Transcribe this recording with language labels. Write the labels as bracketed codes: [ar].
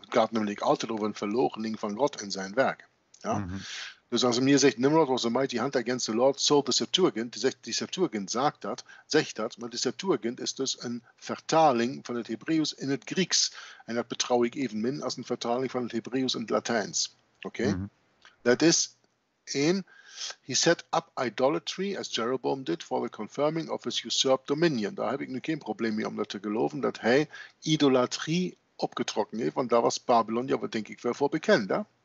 [nl] Het gaat namelijk altijd over een verloochening van God en zijn werk. Ja? Dus als hij hier zegt, [en] Nimrod was a mighty hand against the Lord, so the Septuagint, [nl] die Septuagint zegt dat, maar de Septuagint is dus een vertaling van het Hebreeuws in het Grieks. En dat betrouw ik even min als een vertaling van het Hebreeuws in het Latijns. Okay? Mm-hmm. [en] That is, 1, he set up idolatry, as Jeroboam did, for the confirming of his usurped dominion. [nl] Daar heb ik nu geen probleem mee om dat te geloven, dat hij idolatrie opgetrokken heeft, want daar was Babylon, ja, wat denk ik wel voor bekend, hè?